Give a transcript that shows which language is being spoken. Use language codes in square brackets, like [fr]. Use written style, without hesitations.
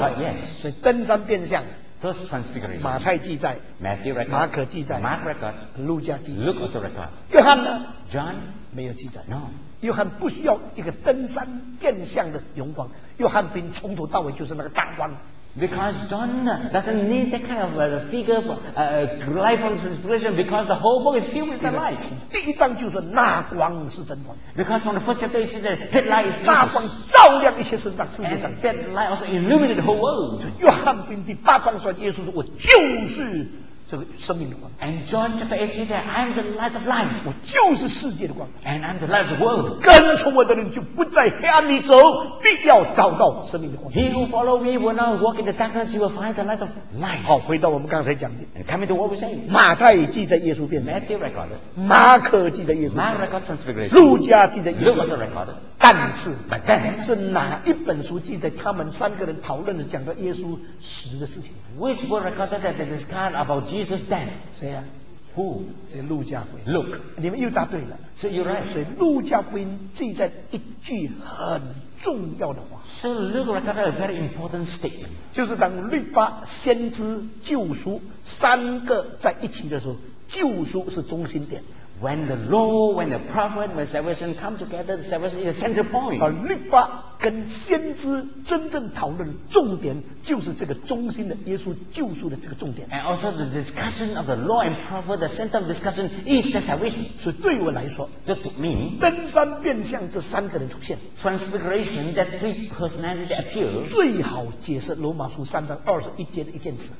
[en] ， yes， [zh] 是登山变相。 [en] First transfiguration。 [zh] 马太记载 [en] ，Matthew record。 [zh] 马可记载 [en] ，Mark record。 [zh] 陆家记载 [en] ，Luke also record。 [zh] 约翰呢 [en] ？John [zh] 没有记载 [en] ，no。 [zh] 约翰不需要一个登山变相的勇光，约翰福音从头到尾就是那个大光。 [en] Because John doesn't need that kind of figure for life from transfiguration, because the whole book is filled with the light. [zh] 第一章就是那光是真光。 [en] Because from the first chapter, it says that that light is [zh] Jesus. 那光照亮一切世上，世界上 [en] that light also illuminated the whole world. [zh] 约翰福音第八章说，耶稣说，我就是这个生命的光。 [en] And John chapter 8 says that I am the light of life. [zh] 我就是世界的光。 [en] And I'm the light of the world. [zh] 跟从我的人就不在黑暗里走，必要找到生命的光。 [en] He who follow me will not walk in the darkness. He will find the light of life. [zh] 好，回到我们刚才讲的。 [en] And coming to what we say. [zh] 马太记载耶稣变 [en] 成。Matthew recorded. [zh] 马可记载耶稣。 [en] Mark record transfiguration. [zh] 路加记载耶稣。 [en] Luke also recorded. [zh] 但是 [en] ，But then， [zh] 是哪一本书记载他们三个人讨论的讲到耶稣死的事情 [en] ？Which book recorded that they discussed about Jesus then？ [zh] 谁呀、啊、 [en] ？Who？ [zh] 是路加福音。 [en] Look， [zh] 你们又答对了。 [en] So you're right。 [zh] 所以路加福音记载一句很重要的话。 [en] So Luke recorded a very important statement。 [zh] 就是当律法、先知、救赎三个在一起的时候，救赎是中心点。 [en] When the law, when the prophet, when salvation come together, salvation is a center point. [zh] 而律法跟先知真正讨论重点就是这个中心的耶稣救赎的这个重点。 [en] And also the discussion of the law and prophet, the center of discussion is the salvation. [zh] 所以对我来说 [en] ，just to me, [zh] 登山变相这三个人出现 [en] ，transfiguration that three personalities appear, [zh] 最好解释罗马书三章二十一节的一件事。